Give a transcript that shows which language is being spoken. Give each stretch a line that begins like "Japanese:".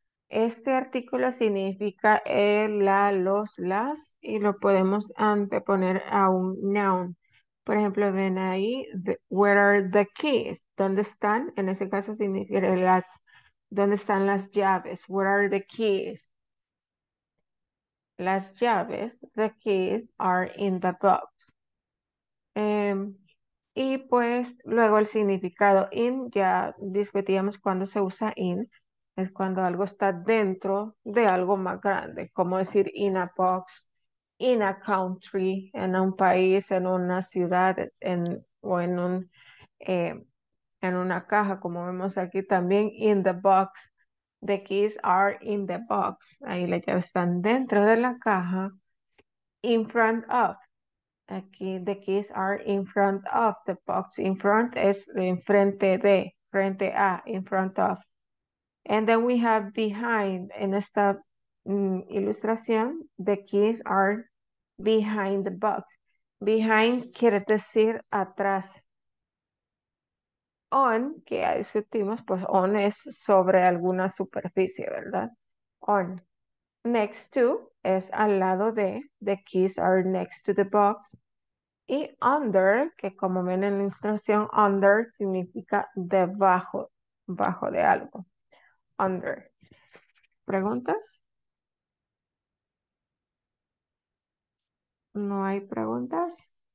Spanish: Este artículo significa el, la, los, las y lo podemos anteponer a un noun. Por ejemplo, ven ahí,
English: where are the keys?
Spanish: ¿Dónde están? En ese caso significa las, ¿dónde están las llaves?
English: Where are the keys?
Spanish: Las llaves,
English: the keys are in the box.
Spanish: Y pues luego el significado in, ya discutíamos cuando se usa in, es cuando algo está dentro de algo más grande, como decir
English: in a box, in a country,
Spanish: en un país, en una ciudad, en una caja, como vemos aquí también,
English: in the box, the keys are in the box,
Spanish: ahí las llaves están dentro de la caja,
English: in front of.
Spanish: Aquí,
English: the keys are in front of the box. In front
Spanish: es en frente de, frente a,
English: in front of. And then we have behind.
Spanish: En esta ilustración,
English: the keys are behind the box.
Spanish: Behind quiere decir atrás. On, que ya discutimos, pues on es sobre alguna superficie, ¿verdad?
English: On. Next to
Spanish: es al lado de,
English: the keys are next to the box.
Spanish: Y under, que como ven en la instrucción, under significa debajo, bajo de algo. Under. ¿Preguntas? ¿No hay preguntas?